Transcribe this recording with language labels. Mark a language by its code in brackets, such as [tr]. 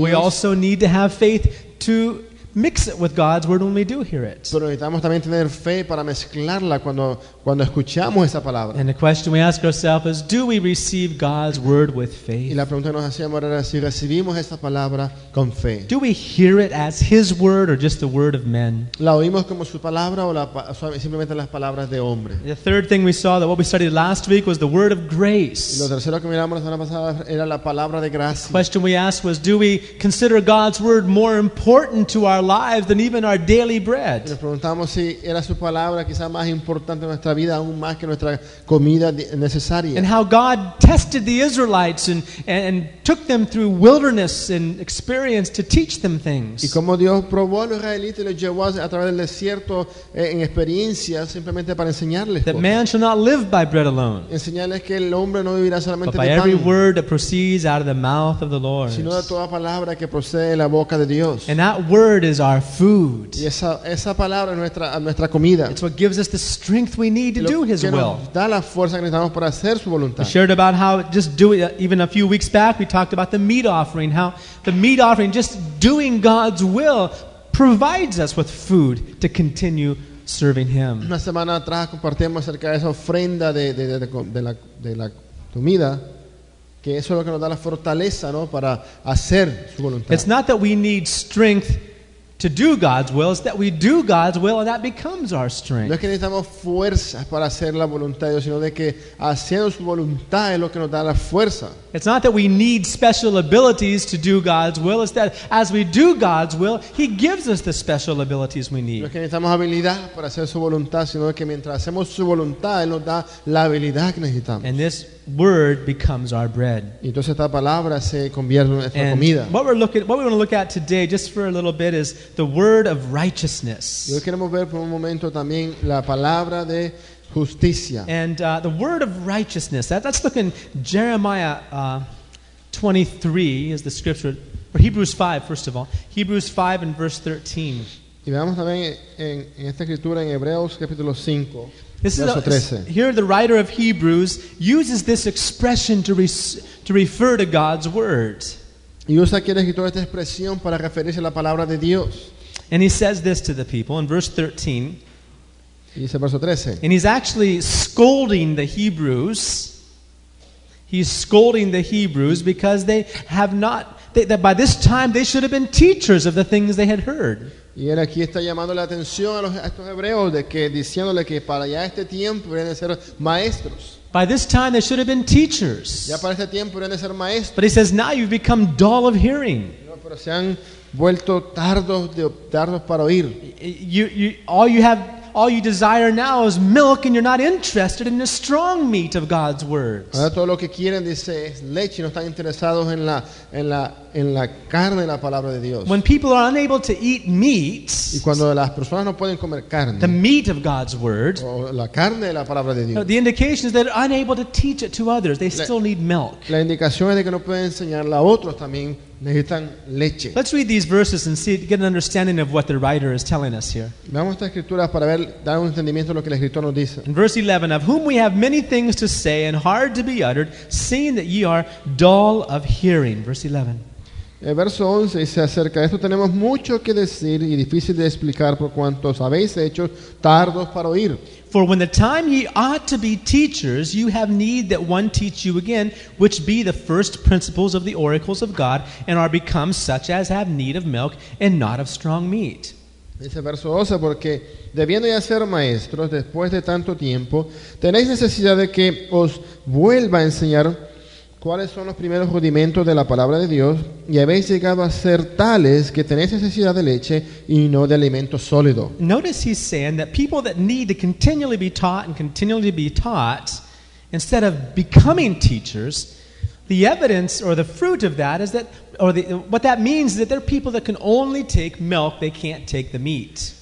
[en] But we also need to have faith to mix it with God's word when we do hear it. [es] Pero necesitamos también tener fe para mezclarla cuando escuchamos esa palabra. [en] And the question we ask ourselves is, do we receive God's word with faith? [es] Y la pregunta que nos hacemos era si recibimos esa palabra con fe. [en] Do we hear it as His word or just the word of men? [es] La oímos como su palabra o simplemente las palabras de hombre. [en] The third thing we saw that what we studied last week was the word of grace. [es] Y lo tercero que miramos la semana pasada era la palabra de gracia. [en] The question we asked was, do we consider God's word more important to our lives than even our daily bread? [es] Y nos preguntamos si era su palabra quizá más importante en nuestra vida aún más que nuestra comida necesaria. [en] And how God tested the Israelites and took them through wilderness and experience to teach them things. [es] Y cómo Dios probó a los israelitas y los llevó a través del desierto en experiencias simplemente para enseñarles. [en] That man shall not live by bread alone. [es] Enseñarles que el hombre no vivirá solamente de pan. [en] But by every word that proceeds out of the mouth of the Lord. [es] Sino de toda palabra que procede de la boca de Dios. [en] And that word is our food. [es] Y esa palabra es nuestra comida. [en] It's what gives us the strength we need to do His will. [es] Da la fuerza que necesitamos para hacer su voluntad. [en] I shared about how just do it even a few weeks back. We talked about the meat offering, how the meat offering, just doing God's will, provides us with food to continue serving Him. [es] Una semana atrás compartimos acerca de esa ofrenda de la comida, que eso es lo que nos da la fortaleza, ¿no?, para hacer su voluntad. [en] It's not that we need strength to do God's will, it's that we do God's will and that becomes our strength. [es] No es que necesitamos fuerzas para hacer la voluntad de Dios, sino de que haciendo su voluntad es lo que nos da la fuerza. [en] It's not that we need special abilities to do God's will, it's that as we do God's will, He gives us the special abilities we need. [es] No es que necesitamos habilidad para hacer su voluntad, sino que mientras hacemos su voluntad, Él nos da la habilidad que necesitamos. [en] And this word becomes our bread. [es] Entonces esta palabra se convierte en nuestra comida. [en] What we want to look at today, just for a little bit, is the word of righteousness. [es] Y hoy queremos ver por un momento también la palabra de justicia. [en] And the word of righteousness. That's looking Jeremiah 23 is the scripture, or Hebrews 5 first of all. Hebrews 5 and verse 13. [es] Y veamos también en esta escritura en Hebreos capítulo 5. [en] Here the writer of Hebrews uses this expression to refer to God's word. [es] Y usa aquí el escritor esta expresión para referirse a la palabra de Dios. [en] And he says this to the people in verse 13. [es] Y dice verso 13. [en] And he's actually scolding the Hebrews. He's scolding the Hebrews because they have not, that by this time they should have been teachers of the things they had heard. [es] Y él aquí está llamando la atención a estos hebreos de que diciéndole que para ya este tiempo deben ser maestros. [en] By this time they should have been teachers. [es] Ya para este tiempo deben ser maestros. [en] But he says now you've become dull of hearing. [es] No, pero se han vuelto tardos para oír. [en] You all you have all you desire now is milk and you're not interested in the strong meat of God's words. [es] Ahora todo lo que quieren dice es leche, no están interesados en la en la en la carne de la palabra de Dios. [en] When people are unable to eat meat, [es] y cuando las personas no pueden comer carne, [en] the meat of God's word, [es] o la carne de la palabra de Dios, [en] the indication is that they're unable to teach it to others. They still need milk. [es] La indicación es de que no pueden enseñarla a otros también. Necesitan leche. [en] Let's read these verses and see, get an understanding of what the writer is telling us here. [es] Veamos estas escrituras para ver, dar un entendimiento de lo que el escritor nos dice. [en] In verse 11, of whom we have many things to say and hard to be uttered, seeing that ye are dull of hearing. Verse 11. [es] El verso 11 dice acerca de esto, tenemos mucho que decir y difícil de explicar por cuantos habéis hecho tardos para oír. [en] For when the time ye ought to be teachers, you have need that one teach you again, which be the first principles of the oracles of God, and are become such as have need of milk and not of strong meat. [es] Dice verso 12, porque debiendo ya ser maestros después de tanto tiempo, tenéis necesidad de que os vuelva a enseñar cuáles son los primeros rudimentos de la palabra de Dios, y habéis llegado a ser tales que tenéis necesidad de leche y no de alimento sólido. [en] Notice he's saying that people that need to continually be taught and continually be taught, instead of becoming teachers, the evidence or the fruit of that is that, or the, what that means is that they're people that can only take milk, they can't take the meat.